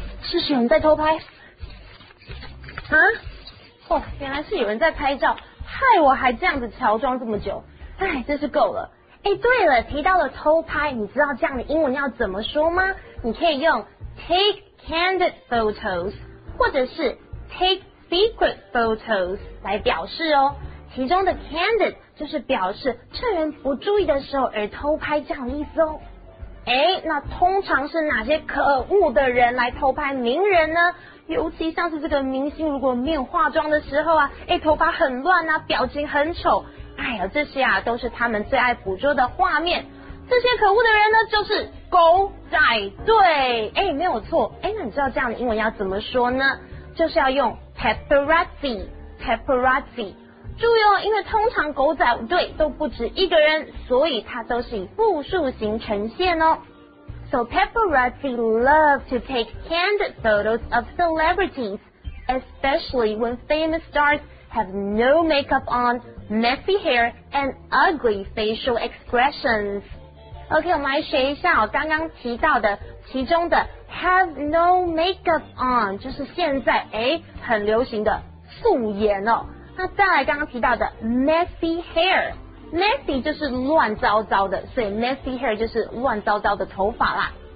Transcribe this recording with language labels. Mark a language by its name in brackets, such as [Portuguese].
[Chinese] Is 有人在偷拍？啊？哦，原来是有人在拍照。害我还这样子乔装这么久，哎，真是够了。哎，对了，提到了偷拍，你知道这样的英文要怎么说吗？你可以用 [English] take candid photos [Chinese] 或者是 [English] take secret photos [Chinese] 来表示哦。其中的 candid 就是表示趁人不注意的时候而偷拍这样的意思哦。哎，那通常是哪些可恶的人来偷拍名人呢？尤其像是这个明星，如果没有化妆的时候啊，哎，头发很乱啊，表情很丑，哎呀，这些啊都是他们最爱捕捉的画面。这些可恶的人呢，就是狗仔队。哎，没有错。哎，那你知道这样的英文要怎么说呢？就是要用 paparazzi， paparazzi。注意哦，因为通常狗仔队都不止一个人，所以它都是以复数型呈现哦。 [English] So paparazzi love to take candid photos of celebrities, especially when famous stars have no makeup on, messy hair, and ugly facial expressions. [Chinese] OK, 我们来学一下我刚刚提到的其中的 [English] have no makeup on, [Chinese] 就是现在很流行的素颜哦。那再来刚刚提到的 messy hair。Messy 就是乱糟糟的，所以 messy hair 就是乱糟糟的头发啦。